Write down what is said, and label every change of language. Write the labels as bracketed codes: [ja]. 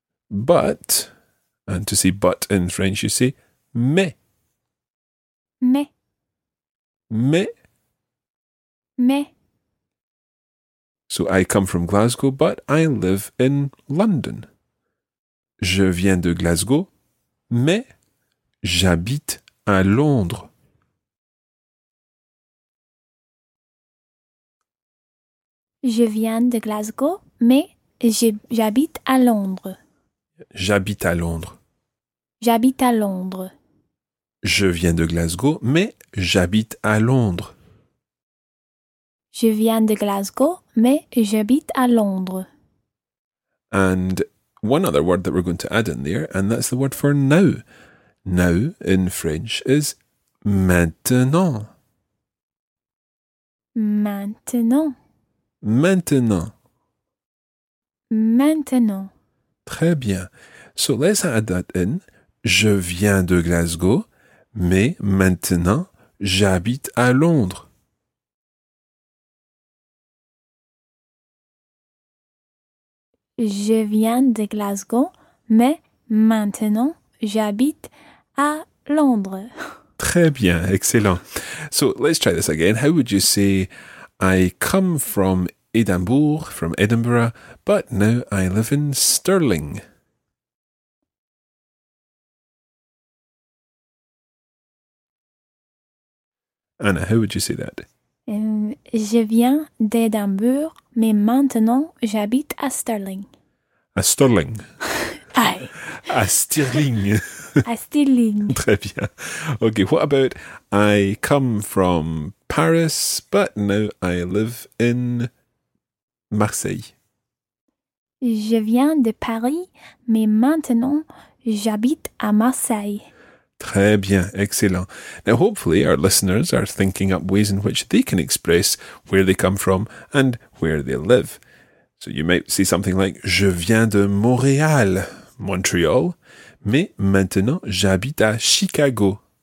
[en] But, and to say but in French, you say mais. [fr] Mais. Mais. Mais. [en] So I come from Glasgow, but I live in London. [fr] Je viens de Glasgow, mais j'habite à Londres. Je viens de Glasgow, mais j'habite à Londres. J'habite à Londres. J'habite à Londres. Je viens de Glasgow, mais j'habite à Londres. Je viens de Glasgow, mais j'habite à Londres. [en] And one other word that we're going to add in there, and that's the word for now. Now in French is maintenant. [fr] Maintenant. Maintenant. Maintenant. Très bien. [en] So let's add that in. [fr] Je viens de Glasgow, mais maintenant j'habite à Londres. Je viens de Glasgow, mais maintenant j'habite à Londres. Très bien, excellent. [en] So let's try this again. How would you say, I come from Edinburgh, but now I live in Stirling? Anna, how would you say that? [fr] Je viens d'Edimbourg, mais maintenant j'habite à Stirling. À Stirling. [en] Aye. [fr] À Stirling. À Stirling. Très bien. [en] Okay, what about I come from Paris, but now I live in Marseille. [fr] Je viens de Paris, mais maintenant j'habite à Marseille. Très bien, excellent. [en] Now, hopefully, our listeners are thinking up ways in which they can express where they come from and where they live. So you might say something like, [fr] je viens de Montréal, Montreal, mais maintenant j'habite à Chicago.